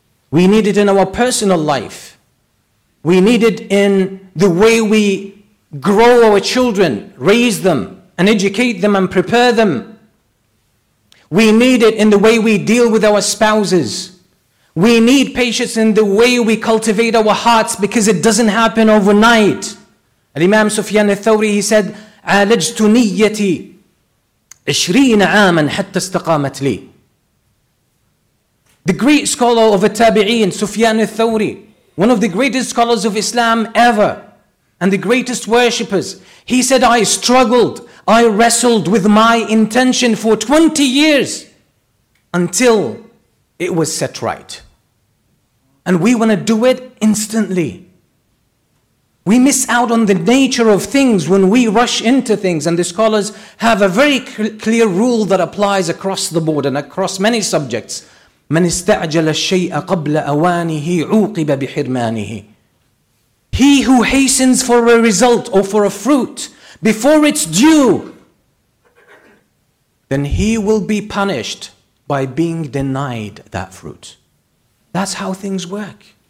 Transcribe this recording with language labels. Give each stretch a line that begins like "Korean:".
English: We need it in our personal life. We need it in the way we grow our children, raise them, and educate them and prepare them. We need it in the way we deal with our spouses. We need patience in the way we cultivate our hearts, because it doesn't happen overnight. Al-Imam Sufyan al-Thawri, he said,
Arabic: عَالَجْتُ نِيَّتِي 20 عَامًا حَتَّى اسْتَقَامَتْ لِي.
English: The great scholar of a tabi'in, Sufyan al-Thawri, one of the greatest scholars of Islam ever, and the greatest worshippers, he said, I struggled, I wrestled with my intention for 20 years until it was set right. And we want to do it instantly. We miss out on the nature of things when we rush into things. And the scholars have a very clear rule that applies across the board and across many subjects.
Arabic: من استعجل الشيء قبل أوانه عوقب بحرمانه.
English: He who hastens for a result or for a fruit before it's due, then he will be punished by being denied that fruit. That's how things work.